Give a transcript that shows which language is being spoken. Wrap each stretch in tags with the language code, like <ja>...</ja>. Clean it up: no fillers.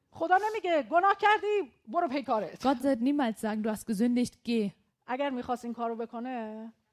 <fa>خدا نمیگه گناه کردی برو پی کارت</fa> <de>Gott wird niemals sagen du hast gesündigt geh</de> <fa>اگر میخواست این کارو بکنه</fa>